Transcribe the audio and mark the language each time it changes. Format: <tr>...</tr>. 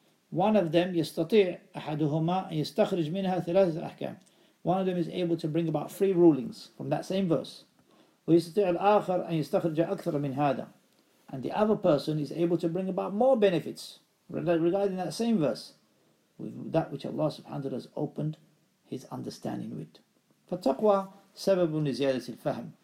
<en>One of them</en> <ar>يستطيع أحدهما أن يستخرج منها ثلاثة أحكام.</ar> <en>One of them is able to bring about three rulings from that same verse.</en> <ar>ويستطيع الآخر أن يستخرج أكثر من هذا.</ar> <en>And the other person is able to bring about more benefits regarding that same verse, with that which Allah subhanahu wa ta'ala has opened his understanding with.</en> <ar>فالتقوى سبب لزيادة الفهم.</ar>